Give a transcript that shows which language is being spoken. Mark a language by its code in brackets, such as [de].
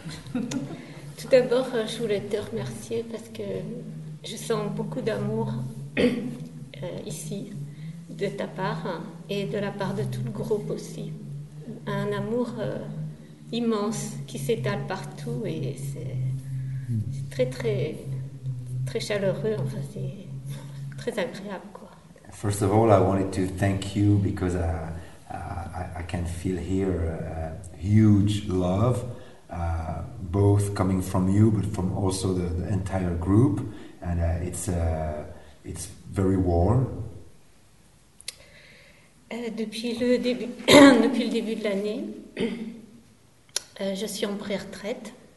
[fr] Tout d'abord, je voulais te remercier parce que je sens beaucoup d'amour ici, de ta part et de la part de tout le groupe aussi. Un amour immense qui s'étale partout et c'est très, très, très chaleureux. Enfin, c'est très agréable, quoi. [en] First of all, I wanted to thank you because I can feel here a huge love. Both coming from you, but from also the entire group, and it's very warm. [fr] depuis le début de l'année, je suis en pré-retraite.